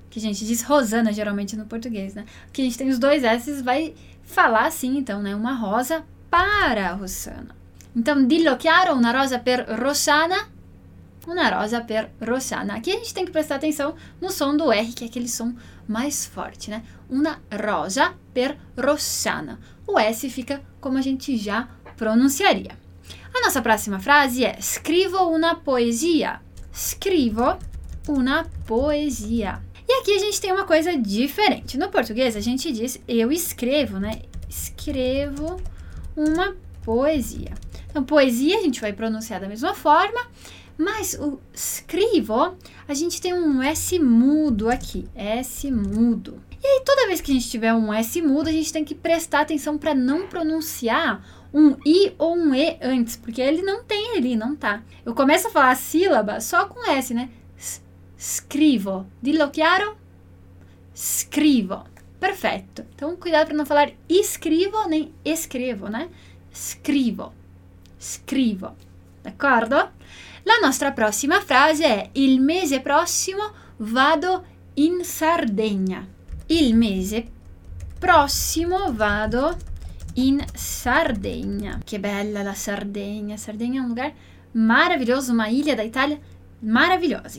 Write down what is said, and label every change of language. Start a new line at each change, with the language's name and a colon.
Portuguese: que a gente diz Rosana geralmente no português, né? Que a gente tem os dois S's, vai falar assim, então, né? Uma rosa para Rosana.
Italian: Então, dillo chiaro, una rosa per Rosana. Una rosa per Rosana.
Portuguese: Aqui a gente tem que prestar atenção no som do R, que é aquele som mais forte, né?
Italian: Una rosa per Rosana.
Portuguese: O S fica como a gente já pronunciaria. A nossa próxima frase é
Italian: scrivo una poesia. Scrivo una poesia.
Portuguese: E aqui a gente tem uma coisa diferente. No português a gente diz eu escrevo, né? Escrevo uma poesia. Então, poesia a gente vai pronunciar da mesma forma, mas o scrivo, a gente tem um S mudo aqui, S mudo. E aí, toda vez que a gente tiver um S mudo, a gente tem que prestar atenção para não pronunciar um I ou um E antes, porque ele não tem ali, não tá. Eu começo a falar a sílaba só com S, né?
Italian: Scrivo. Dillo chiaro? Scrivo. Perfeito.
Portuguese: Então, cuidado para não falar escrivo nem escrevo, né?
Italian: Scrivo. Scrivo. D'accordo? La nostra prossima frase è il mese prossimo vado in Sardegna. Il mese prossimo vado in Sardegna. Che bella la Sardegna. Sardegna è un lugar meraviglioso, una isola d'Italia meravigliosa.